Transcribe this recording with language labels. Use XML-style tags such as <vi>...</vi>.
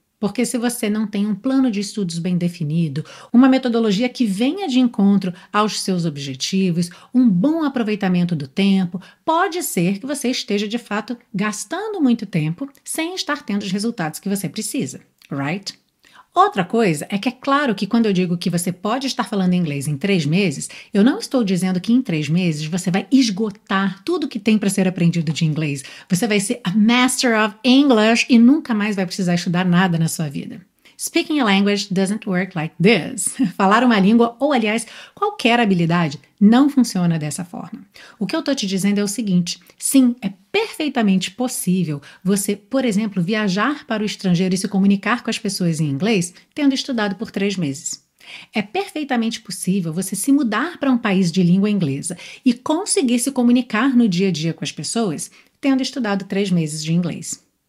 <pt>Porque se você não tem um plano de estudos bem definido, uma metodologia que venha de encontro aos seus objetivos, um bom aproveitamento do tempo, pode ser que você esteja, de fato, gastando muito tempo sem estar tendo os resultados que você precisa, right? Outra coisa é que é claro que quando eu digo que você pode estar falando inglês em 3 meses, eu não estou dizendo que em 3 meses você vai esgotar tudo que tem para ser aprendido de inglês. Você vai ser a master of English e nunca mais vai precisar estudar nada na sua vida.</pt> <en>Speaking a language doesn't work like this.</en> <pt>Falar uma língua, ou aliás, qualquer habilidade, não funciona dessa forma. O que eu estou te dizendo é o seguinte: sim, é perfeitamente possível você, por exemplo, viajar para o estrangeiro e se comunicar com as pessoas em inglês, tendo estudado por 3 meses. É perfeitamente possível você se mudar para um país de língua inglesa e conseguir se comunicar no dia a dia com as pessoas, tendo estudado 3 meses de inglês.</pt>